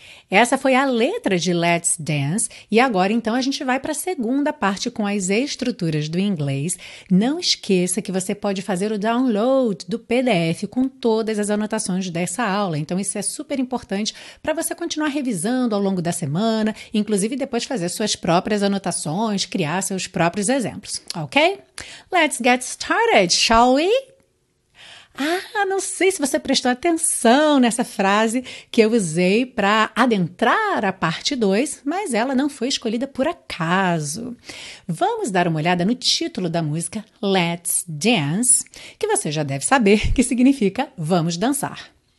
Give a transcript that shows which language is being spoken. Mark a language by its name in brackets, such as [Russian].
[Portuguese] Essa foi a letra de Let's Dance, e agora então a gente vai para a segunda parte com as estruturas do inglês. Não esqueça que você pode fazer o download do PDF com todas as anotações dessa aula, então isso é super importante para você continuar revisando ao longo da semana, inclusive depois fazer suas próprias anotações, criar seus próprios exemplos, ok? [English] Let's get started, shall we? [Portuguese] Ah, não sei se você prestou atenção nessa frase que eu usei para adentrar a parte 2, mas ela não foi escolhida por acaso. Vamos dar uma olhada no título da música Let's Dance, que você já deve saber que significa vamos dançar.